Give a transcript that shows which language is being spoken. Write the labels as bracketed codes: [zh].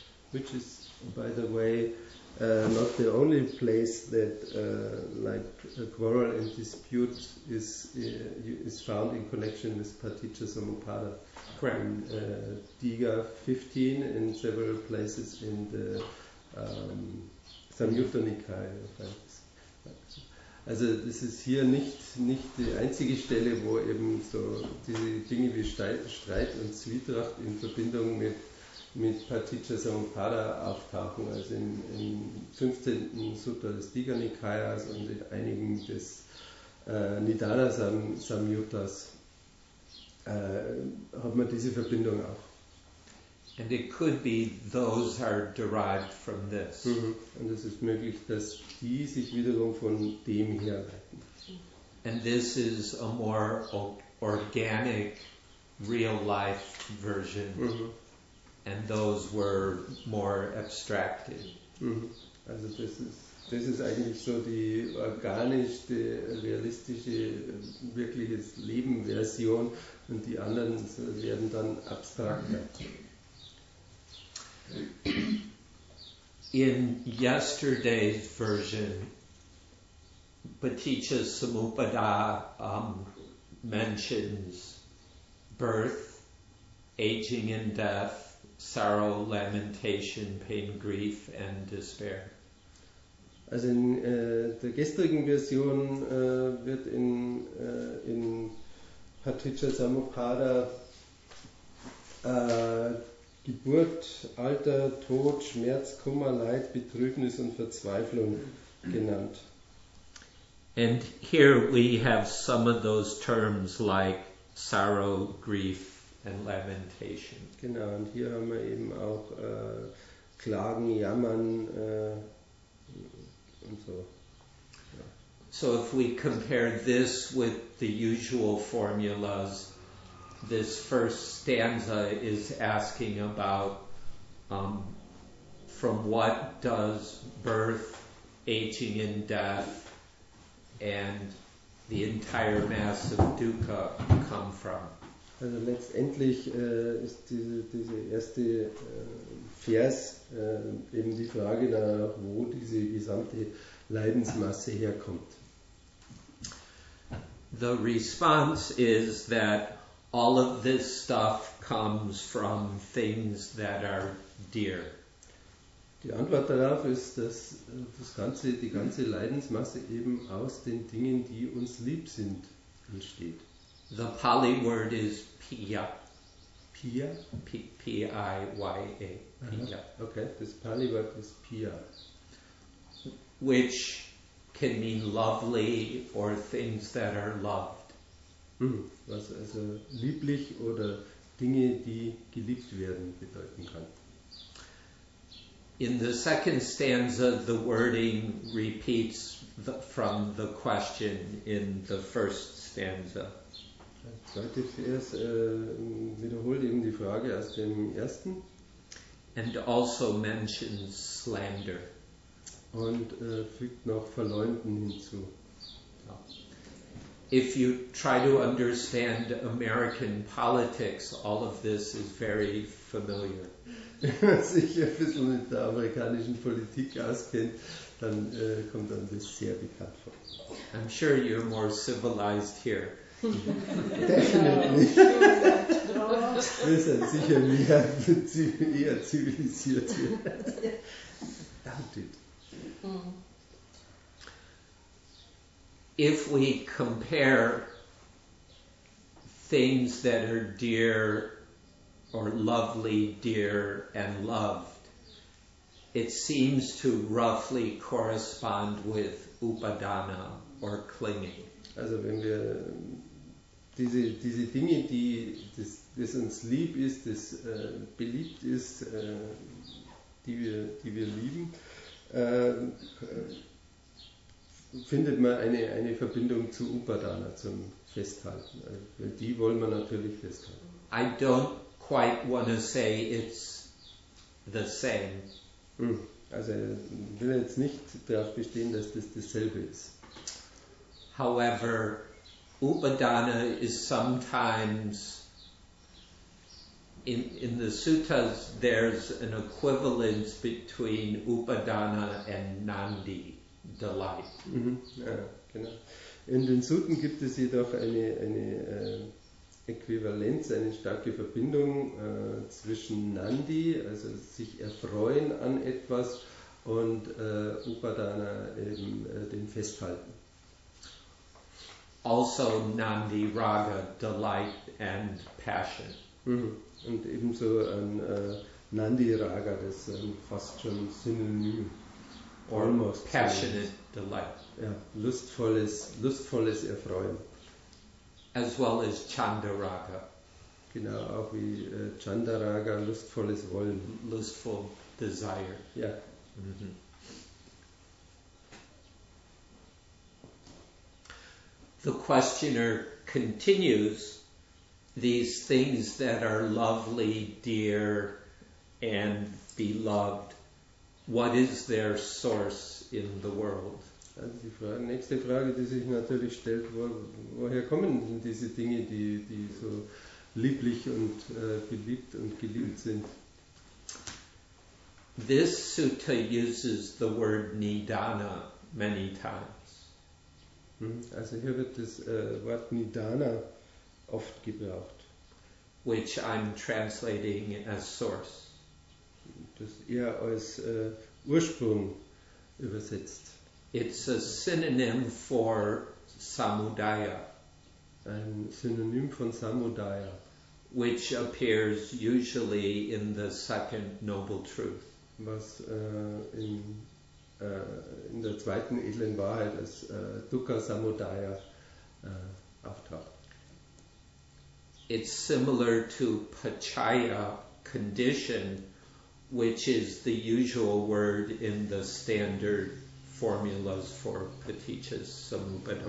[en] Which is, by the way, not the only place that like a quarrel and dispute is found in connection with Paticca-samuppada. Correct. In Diga 15, in several places in the Samyutta Nikaya. [de] Also das ist hier nicht die einzige Stelle, wo eben so diese Dinge wie Streit und Zwietracht in Verbindung mit Paticca-samuppada auftauchen. Also im 15. Sutta des Digha Nikayas und in einigen des Nidana Samyuttas hat man diese Verbindung auch. [en] And it could be those are derived from this. Mm-hmm. [de] Und es ist möglich, dass die sich wiederum von dem herleiten. [en] And this is a more organic, real-life version. Mm-hmm. And those were more abstracted. Mm-hmm. [de] Also das ist eigentlich so die organischste, realistische, wirkliches Leben-Version. Und die anderen werden dann abstrakter. [en] In yesterday's version, Paticca Samuppada mentions birth, aging and death, sorrow, lamentation, pain, grief, and despair. [de] Also in der gestrigen Version wird in Paticca Samuppada Geburt, Alter, Tod, Schmerz, Kummer, Leid, Betrübnis und Verzweiflung genannt. [en] And here we have some of those terms like sorrow, grief and lamentation. [de] Genau, und hier haben wir eben auch Klagen, Jammern und so. [en] So if we compare this with the usual formulas, this first stanza is asking about from what does birth, aging and death, and the entire mass of dukkha come from. [de] Also letztendlich ist diese erste Vers eben die Frage danach, wo diese gesamte Leidensmasse herkommt. [en] The response is that all of this stuff comes from things that are dear. [de] Die Antwort darauf ist, dass die ganze Leidensmasse eben aus den Dingen, die uns lieb sind, entsteht. [en] The Pali word is piya. Piya? P-I-Y-A. Piya. Okay, this Pali word is piya. Which can mean lovely or things that are loved. [de] Was also lieblich oder Dinge, die geliebt werden, bedeuten kann. [en] In the second stanza, the wording repeats from the question in the first stanza. [de] Zweite Vers wiederholt eben die Frage aus dem ersten. [en] And also mentions slander. [de] Und fügt noch Verleumden hinzu. [en] If you try to understand American politics, all of this is very familiar. [de] Wenn man sich ein bisschen mit der amerikanischen Politik auskennt, dann kommt einem das sehr bekannt vor. [en] I'm sure you're more civilized here. Definitely. [de] Wir sind sicher eher zivilisiert hier. [en] Doubt it. If we compare things that are dear or lovely, dear and loved, it seems to roughly correspond with upadana or clinging. [de] Also wenn wir diese Dinge, die das uns lieb ist, das beliebt ist, die wir lieben, findet man eine Verbindung zu Upadana, zum Festhalten. Die wollen wir natürlich festhalten. [en] I don't quite want to say it's the same. [de] Also ich will jetzt nicht darauf bestehen, dass das dasselbe ist. [en] However, Upadana is sometimes in the suttas there's an equivalence between Upadana and Nandi. Delight. [de] Ja, genau. In den Sutten gibt es jedoch eine Äquivalenz, eine starke Verbindung zwischen Nandi, also sich erfreuen an etwas, und Upadana, eben dem Festhalten. [en] Also Nandi Raga, Delight and Passion. [de] Und ebenso ein Nandi Raga, das fast schon Synonym. [en] Almost passionate delight. [de] Ja, lustvolles Erfreuen. [en] As well as Chandaraga. [de] Genau, auch wie Chandaraga, lustvolles Wollen. [en] Lustful desire. [de] Ja. [en] The questioner continues, these things that are lovely, dear, and beloved, what is their source in the world? [de] Also die nächste Frage, die sich natürlich stellt, woher kommen denn diese Dinge, die so lieblich und beliebt und geliebt sind? [en] This sutta uses the word nidana many times. [de] Also hier wird das Wort Nidana oft gebraucht. [en] Which I'm translating as source. [de] Das eher als Ursprung übersetzt. [en] It's a synonym for Samudaya. [de] Ein Synonym von Samudaya. [en] Which appears usually in the second noble truth. [de] Was in der zweiten edlen Wahrheit als Dukkha Samudaya auftaucht. [en] It's similar to Pachaya, condition, which is the usual word in the standard formulas for Paticca's Samuppada.